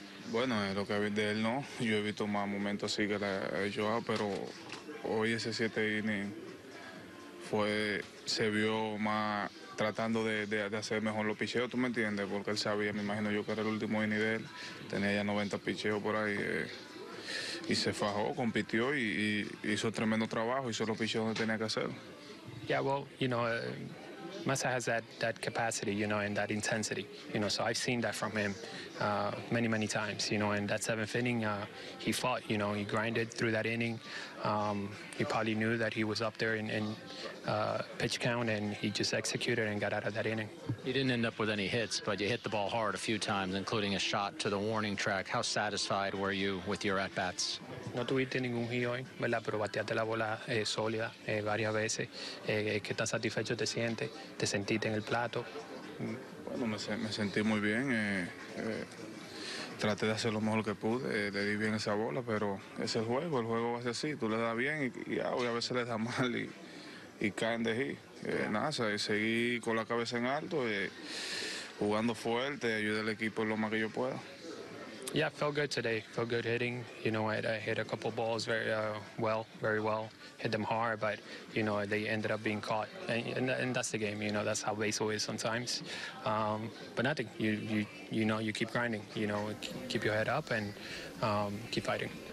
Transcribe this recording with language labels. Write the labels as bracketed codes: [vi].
[es] Bueno, lo que ha visto de él, no. Yo he visto más momentos así que la he llevado, pero hoy ese siete inning se vio más tratando de hacer mejor los picheos, ¿tú me entiendes? Porque él sabía, me imagino yo, que era el último inning de él. Tenía ya 90 picheos por ahí, y se fajó, compitió y hizo tremendo trabajo, hizo los picheos donde tenía que hacerlo. [en] Yeah, well, you know, Massa has that capacity, you know, and that intensity, you know, so I've seen that from him many, many times, you know, and that seventh inning, he fought, you know, he grinded through that inning. He probably knew that he was up there in pitch count, and he just executed and got out of that inning. You didn't end up with any hits, but you hit the ball hard a few times, including a shot to the warning track. How satisfied were you with your at-bats? [es] No tuviste ningún hit hoy, ¿verdad? Pero bateaste la bola sólida varias veces. ¿Qué tan satisfecho te sientes? ¿Te sentiste en el plato? Bueno, me sentí muy bien. Traté de hacer lo mejor que pude, le di bien esa bola, pero es el juego va a ser así. Tú le das bien y a veces le das mal y caen de ahí. Nada, seguí con la cabeza en alto, jugando fuerte, ayudé al equipo lo más que yo pueda. [en] Yeah, felt good today. Felt good hitting. You know, I hit a couple balls very well. Hit them hard, but you know they ended up being caught, and that's the game. You know, that's how baseball is sometimes. But nothing. You know, you keep grinding. You know, keep your head up and keep fighting.